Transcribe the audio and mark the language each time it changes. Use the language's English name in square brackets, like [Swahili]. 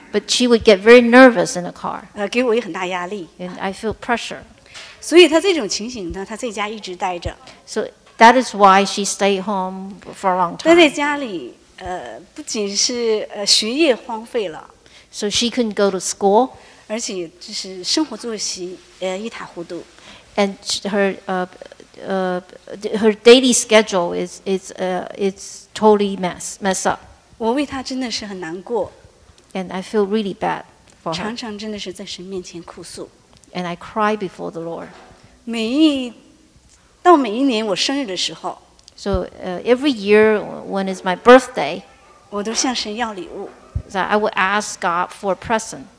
[English] But she would get very nervous in a car. [Chinese] 给我也很大压力。 [English] And I feel pressure. [Chinese] 所以她这种情形呢，她在家一直待着。 [English] So that is why she stayed home for a long time. [Chinese] 待在家里，不仅是学业荒废了。 [English] So she couldn't go to school. [Chinese] 而且就是生活作息一塌糊涂。 [English] And her daily schedule is totally mess up. [Chinese] 我为她真的是很难过。 [English] And I feel really bad for her. [Chinese] 常常真的是在神面前哭诉。 [English] And I cry before the Lord. [Chinese] 每一年我生日的时候。 [English] So every year when is my birthday. [Chinese] 我都向神要礼物。 [English] So I will ask God for a present.